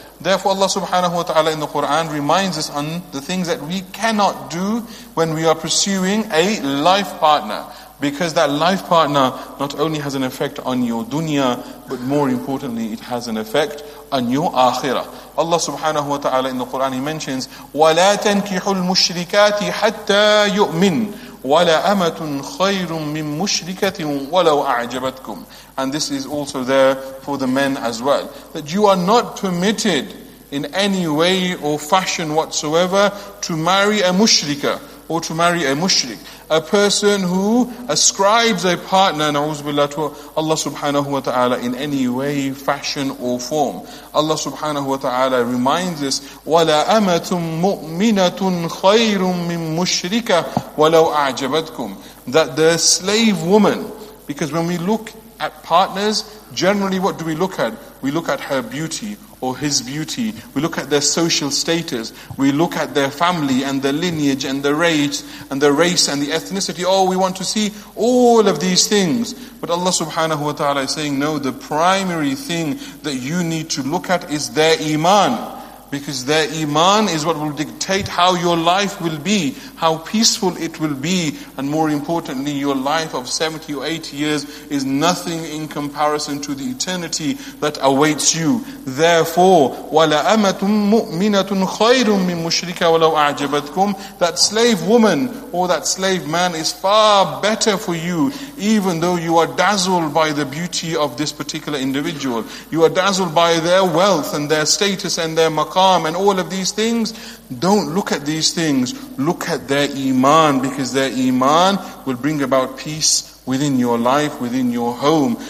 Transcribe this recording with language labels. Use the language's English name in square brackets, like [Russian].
[English] Therefore, Allah subhanahu wa ta'ala in the Quran reminds us on the things that we cannot do when we are pursuing a life partner. Because that life partner not only has an effect on your dunya, but more importantly, it has an effect on your akhirah. Allah subhanahu wa ta'ala in the Quran, He mentions, [Arabic] وَلَا تَنْكِحُ الْمُشْرِكَاتِ حَتَّى يُؤْمِنْ وَلَا أَمَةٌ خَيْرٌ مِّن مُشْرِكَةٍ وَلَوْ أَعْجَبَتْكُمْ. [English] And this is also there for the men as well. That you are not permitted in any way or fashion whatsoever to marry a mushrika, or to marry a mushrik, a person who ascribes a partner, na'uzu billahi, to Allah subhanahu wa ta'ala in any way, fashion or form. Allah subhanahu wa ta'ala reminds us, [Arabic] وَلَا أَمَةٌ مُؤْمِنَةٌ خَيْرٌ مِّن مُشْرِكَ وَلَوْ أَعْجَبَتْكُمْ. [English] That the slave woman, because when we look at partners, generally what do we look at? We look at her beauty or his beauty. We look at their social status. We look at their family and their lineage and their race and their race and the ethnicity. Oh, we want to see all of these things. But Allah subhanahu wa ta'ala is saying, no, the primary thing that you need to look at is their iman. Because their iman is what will dictate how your life will be, how peaceful it will be, and more importantly, your life of 70 or 80 years is nothing in comparison to the eternity that awaits you. Therefore, [Arabic] وَلَا أَمَةٌ مُؤْمِنَةٌ خَيْرٌ مِّن مُشْرِكَ وَلَوْ أَعْجَبَتْكُمْ. [English] That slave woman or that slave man is far better for you, even though you are dazzled by the beauty of this particular individual. You are dazzled by their wealth and their status and their calm and all of these things. Don't look at these things. Look at their iman, because their iman will bring about peace within your life, within your home.